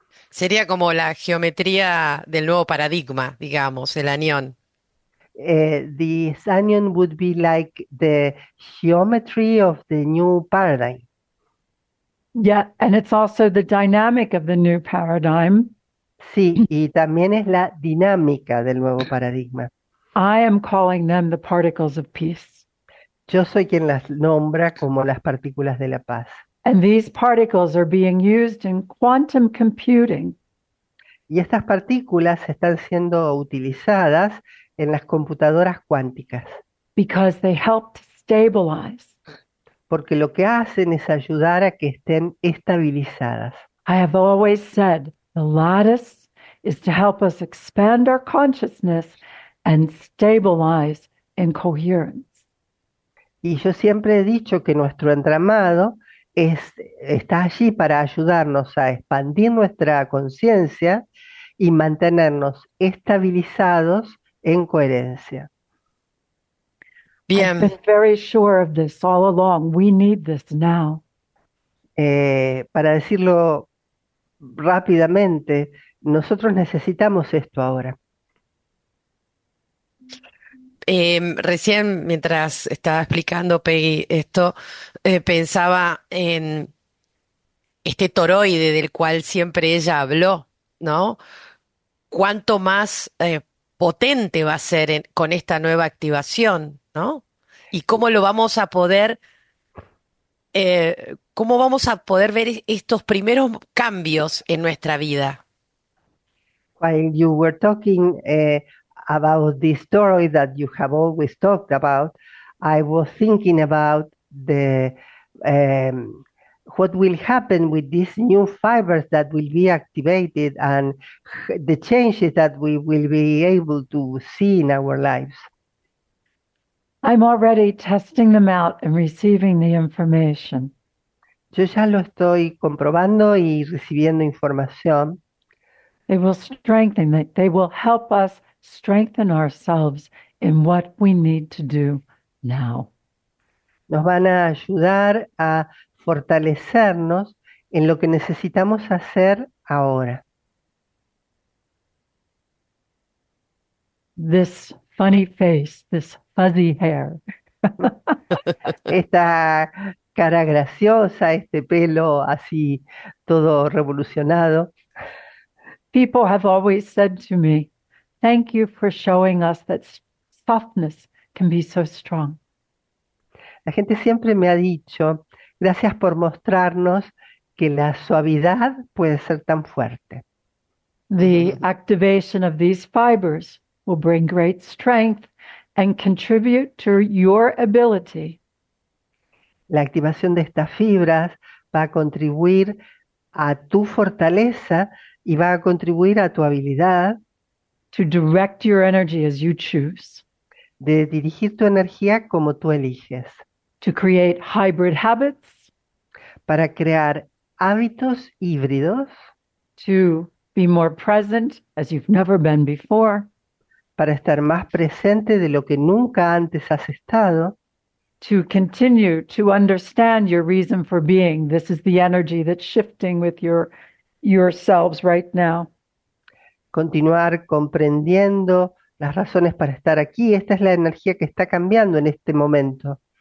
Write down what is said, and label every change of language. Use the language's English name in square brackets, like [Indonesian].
[Spanish] Sería como la geometría del nuevo paradigma, digamos, el anión. [English] This anion would be like the geometry of the new paradigm. Yeah, and it's also the dynamic of the new paradigm. [Spanish] Sí, y también es la dinámica del nuevo paradigma. [English] I am calling them the particles of peace. [Spanish] Yo soy quien las nombra como las partículas de la paz. [English] And these particles are being used in quantum computing. [Spanish] Y estas partículas están siendo utilizadas en las computadoras cuánticas. [English] Because they help to stabilize. [Spanish] Porque lo que hacen es ayudar a que estén estabilizadas. [English] I have always said the lattice is to help us expand our consciousness and stabilize in coherence. [Spanish] Y yo siempre he dicho que nuestro entramado está allí para ayudarnos a expandir nuestra conciencia y mantenernos estabilizados en coherencia. [English] Bien. I've been very sure of this all along. We need this now. [Spanish] Para decirlo rápidamente, nosotros necesitamos esto ahora. Recién, mientras estaba explicando Peggy esto, pensaba en este toroide del cual siempre ella habló, ¿no? ¿Cuánto más potente va a ser con esta nueva activación, ¿no? ¿Y cómo lo vamos a poder, cómo vamos a poder ver estos primeros cambios en nuestra vida? [English] While you were talking, about this story that you have always talked about, I was thinking about the what will happen with these new fibers that will be activated and the changes that we will be able to see in our lives. I'm already testing them out and receiving the information. [Spanish] Yo ya lo estoy comprobando y recibiendo información. [English] They will strengthen, they will help us strengthen ourselves in what we need to do now. [Spanish] Nos van a ayudar a fortalecernos en lo que necesitamos hacer ahora. [English] This funny face, this fuzzy hair. [Spanish] Esta cara graciosa, este pelo así todo revolucionado. [English] People have always said to me, thank you for showing us that softness can be so strong. [Spanish] La gente siempre me ha dicho, gracias por mostrarnos que la suavidad puede ser tan fuerte. [English] The activation of these fibers will bring great strength and contribute to your ability. [Spanish] La activación de estas fibras va a contribuir a tu fortaleza y va a contribuir a tu habilidad [English] to direct your energy as you choose, [Spanish] de dirigir tu energía como tú eliges, [English] to create hybrid habits, [Spanish] para crear hábitos híbridos, [English] to be more present as you've never been before, [Spanish] para estar más presente de lo que nunca antes has estado, [English] to continue to understand your reason for being. This is the energy that's shifting with yourselves right now. [Spanish] Continuar comprendiendo Las razones para estar aquí, esta es la energía que está cambiando en este momento.